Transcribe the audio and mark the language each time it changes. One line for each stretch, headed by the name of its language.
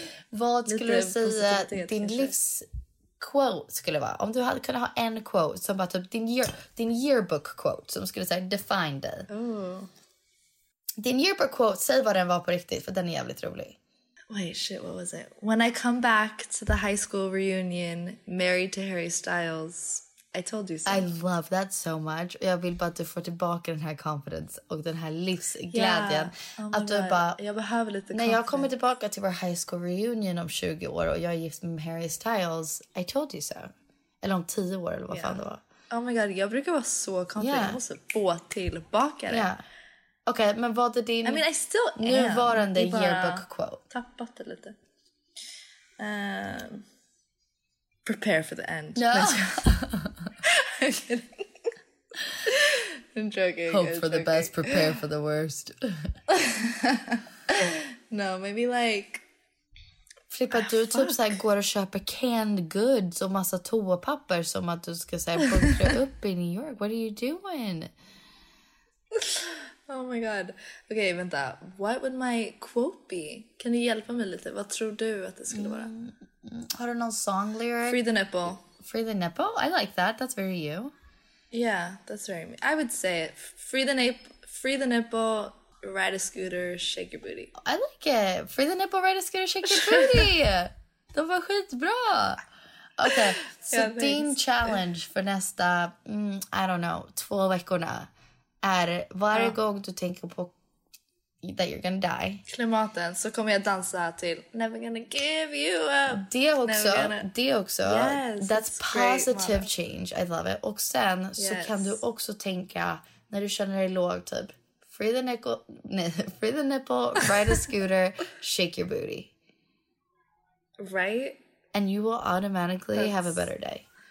Swedish: Vad skulle du säga din livs... quote skulle vara, om du hade kunnat ha en quote som bara typ din yearbook quote som skulle säga define dig. Din yearbook quote, säg vad den var på riktigt för den är jävligt rolig.
English: Wait, shit, what was it? When I come back to the high school reunion married to Harry Styles, I told you so. I love that so much.
Swedish: Jag vill bara att du får tillbaka den här confidence och den här livsglädjen.
English: Yeah.
Swedish: Oh, att du God. Bara... Jag behöver lite
English: confidence.
Swedish: När jag kommer tillbaka till vår high school reunion om 20 år och jag är gift med Harry Styles,
English: I told you so.
Swedish: Eller om 10 år eller vad fan det var. Oh my God, jag brukar vara så confident. Yeah. Jag måste få tillbaka det. Yeah. Okej, okay, men vad är din...
English: I mean, I still am.
Swedish: Nuvarande yearbook quote. Tappat det lite.
English: Prepare for the end. No. I'm joking. Hope for the best, prepare for the worst. No, maybe like...
Swedish: Flippa, du typ så här går och köper canned goods och massa toapapper som att du ska så här bunkra upp i New York.
English: What are you doing? Oh my god. Okej, okay, vänta. What would my quote be?
Swedish: Kan du hjälpa mig lite? Vad tror du att det skulle vara? Har du någon song lyric?
English: Free the nipple. Free the nipple? I like that. That's very you. Yeah, that's very me. I would say it. Free the nipple, ride a scooter, shake your booty. I like it. Free the nipple, ride a scooter, shake your booty.
Swedish: Det var skitbra.
English: Okay, so yeah, din challenge for nästa, I don't know, 2 veckorna
Swedish: är varje gång du tänker på
English: that you're gonna die.
Swedish: Klimaten, så kommer jag dansa till Never Gonna Give You Up. Det också.
English: Yes, that's positive great, change. I love it.
Swedish: Och sen så kan du också tänka, när du känner dig låg, typ,
English: free the nipple, ride a scooter, shake your booty. Right? And you will automatically have a better day.